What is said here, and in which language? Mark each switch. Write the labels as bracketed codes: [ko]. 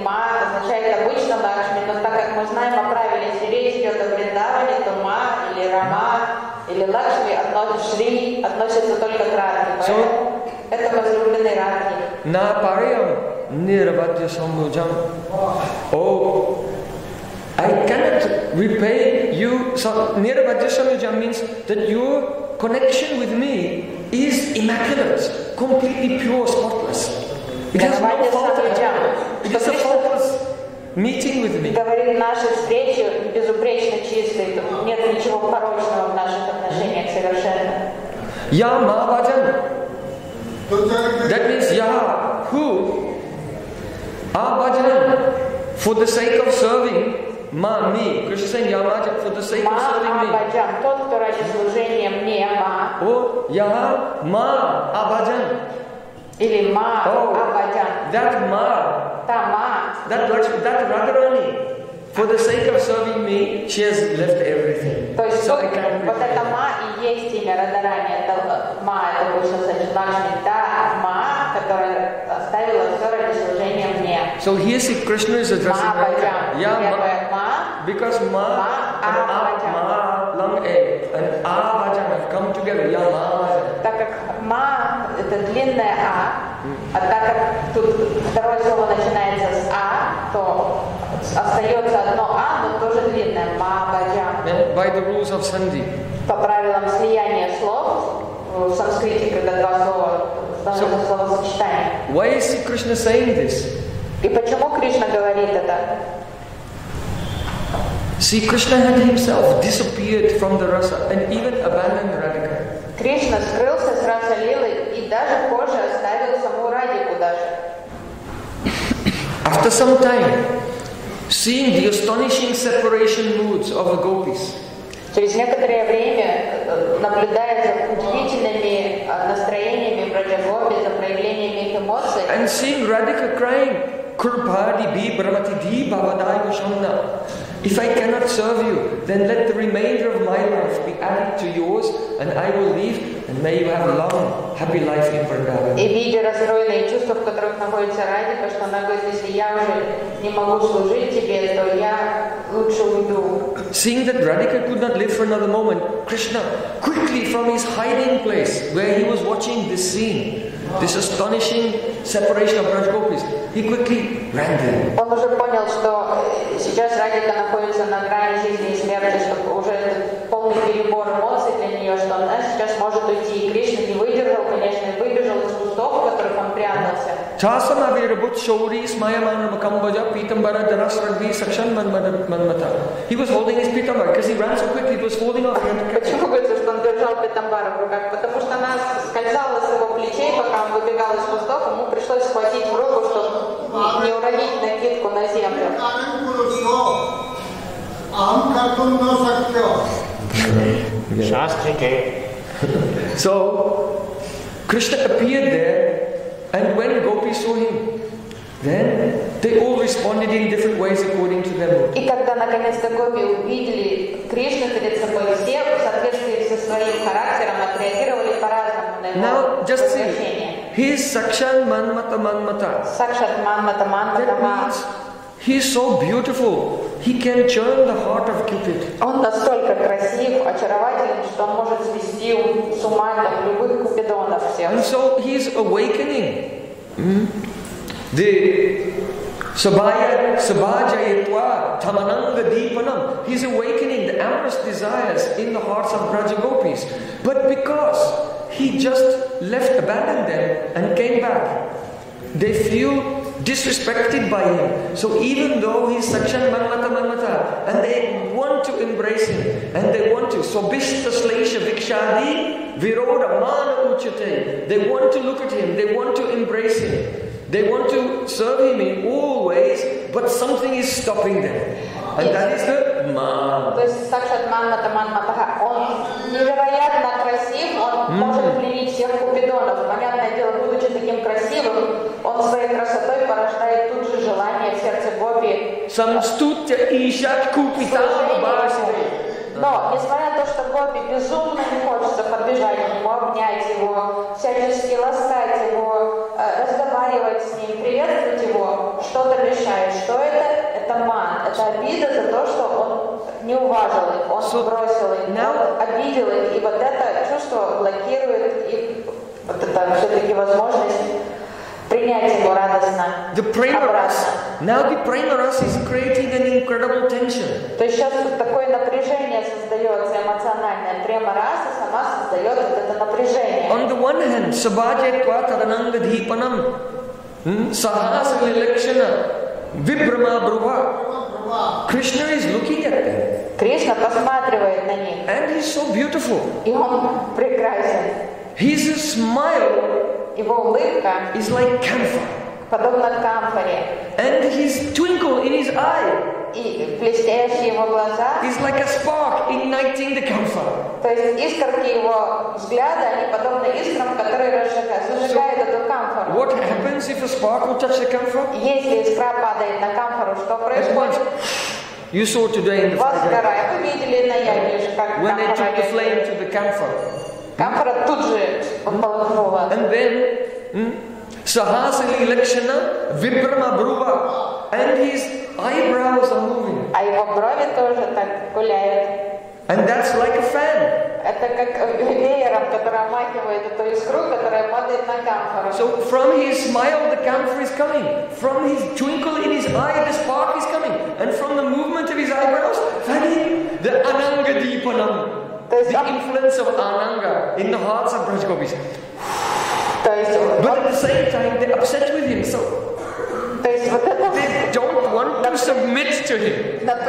[ru] Ma означает обычно Лакшми, но так как мы знаем о правиле, если речь идет о Вриндаване, то Ма или Рама или Лакшми относится, Шри относится только к Радхе. [en] So, [ru] это возлюбленный Радхи. [sa] На Париям, Нирвадья Самуджам. [en] I cannot repay you. So Nirvadya Samyujam means that your connection with me is immaculate, completely pure, spotless. It has no fault. It is a faultless meeting with me. [ru] Говорит, наша встреча безупречно чистая. Нет ничего порочного в наших отношениях совершенно. [en] Я Мавадан. That means Я, who? Абаджан, for the sake of serving. Ma, me. Krishna is saying, Ya Majam, for the sake [sa] ma, [en] of serving me. [ru] Ma, Abhajan, тот, кто ради служения мне, Ma. [sa] Oh, Ya, Ma, Abhajan. [ru] Или Ma, oh, Abhajan. [en] That Ma. [ru] Та Ma. [en] That Lakshmi, that Radharani. For the sake of serving me, she has left everything. [ru] То есть, so только, вот это Ma и есть имя Радарани. Это Ма, это больше значит Лакшми. Та Ma, которая оставила все ради служения мне. [en] So here see Krishna is addressing [sa] Ma, Abhajan. Ya, Ma. [en] Because Ma, [sa] ma [en] and [sa] A, [en] Ma, Lang A, and A, Vajan have come together. [sa] Ya, Ma, Vajan. [ru] Так как Ма это длинное А, а так как тут второе слово начинается с А, то остается одно А, но тоже длинное. [sa] Ма, Vajan. [en] And by the rules of Sandhi. [ru] По правилам слияния слов, в санскрите, когда два слова, должно быть словосочетание. [en] Why is Krishna saying this? [ru] И почему Кришна говорит это? [en] See, Krishna had himself disappeared from the rasa and even abandoned Radhika. [ru] Krishna скрылся с раса лилы и даже позже оставил саму Радику даже. [en] After some time, seeing the astonishing separation moods of the gopis. [ru] Через некоторое время, наблюдая за удивительными настроениями Браджагопи, за проявлениями их эмоций. [en] And seeing Radhika crying, [sa] Kurpadi bi brahmati di bhavadai vashamna. [en] If I cannot serve you, then let the remainder of my life be added to yours, and I will leave, and may you have a long, happy life in Vrindavan. [ru] И видя расстроенные чувства, в которых находится Радика, что она говорит, если я уже не могу служить тебе, то я лучше уйду. [en] Seeing that Radhika could not live for another moment, Krishna, quickly from his hiding place, where he was watching this scene, this astonishing separation of Braj Gopis, he quickly ran there. [ru] Он уже понял, что сейчас Радика находится на грани жизни и смерти, что уже полный перебор эмоций для нее, что она сейчас может уйти. И Кришна не выдержал, конечно, и выбежал из кустов, в которых он прятался. [sa] Часам авирабут шоури смайамана макамбаджа питамбара дарасрагви сакшан манмата. [en] He was holding his питамбар, because he ran so quickly, he was holding off. [ru] Почему говорится, что он держал питамбар в руках? Потому что она скользала с его плечей, пока он выбегал из кустов, ему пришлось схватить в руку, чтобы не уронить накидку на землю. Шастрике. [en] So, Krishna appeared there. And when gopis saw him, then they all responded in different ways according to their mood. [ru] И когда наконец-то гопи увидели Кришну перед собой, все в соответствии со своим характером отреагировали по-разному. [en] Now just see, he's sakshan manmata manmata. [sa] Sakshat manmata manmata. [en] That means he's so beautiful, he can churn the heart of Cupid. [ru] Он настолько красив, очарователен, что он может свести с ума любых купидонов всех. [en] And so he's awakening. Mm-hmm. The [sa] sabaya, sabajayetva, tamananga deepanam. [en] He's awakening the amorous desires in the hearts of Brajagopis. But because he just left, abandoned them and came back, they feel disrespected by him. So even though he's sakshan manmata manmata, and they want to embrace him, and they want to, [sa] so bhishta slesha vikshadi viroda mana uchate, [en] they want to look at him, they want to embrace him, they want to serve him in all ways, but something is stopping them. And that is the ma. [ru] То есть сакшат манмата манмата. Он невероятно красив, он может пленить всех купидонов. Понятное дело, будучи таким красивым, он своей красотой порождает тут же желание в сердце [sa] Sam stutte ishat kupita bashi. [ru] Но, несмотря на то, что Гопи безумно не хочется подбежать к нему, обнять его, всячески ласкать его, разговаривать с ним, приветствовать его, что-то мешает. Что это? Это ман, это обида за то, что он не уважил их, он бросил их, он обидел их. И вот это чувство блокирует их, вот это все-таки возможность. [en] The primaras. Now the primaras is creating an incredible tension. [ru] То есть сейчас вот такое напряжение создается эмоциональное. Примараса сама создает вот это напряжение. [en] On the one hand, [sa] sabajekva tadananga dhipanam sahasa lilakshana vibrama bruva. [en] Krishna is looking at them. [ru] Кришна посматривает на них. [en] And he's so beautiful. [ru] И он прекрасен. [en] His smile. [ru] Его улыбка [en] is like camphor. [ru] Подобна камфоре. [en] And his twinkle in his eye. [ru] И блестящие его глаза. [en] Is like a spark igniting the camphor. [ru] То есть искорки его взгляда, они подобны искрам, которые зажигают эту камфору. [en] What happens if a spark will touch the camphor? [ru] Если искра падает на камфору, что происходит? [en] You saw today in the fire. [ru] Вы видели на ярмарке, как [en] when they took the flame to the camphor. [ru] Камфора тут же ополохнула. [en] And then, [sa] sahasali lakshana vibrama bruva. [en] And his eyebrows are moving. [ru] А его брови тоже так гуляют. [en] And that's like a fan. [ru] Это как веером, который омахивает эту искру, которая падает на камфору. [en] So from his smile the camphor is coming. From his twinkle in his eye the spark is coming. And from the movement of his eyebrows, fanny, the ananga deepanam. The influence of Ananga in the hearts of Brajgopis. But at the same time, they're upset with him. So they don't want to submit to him.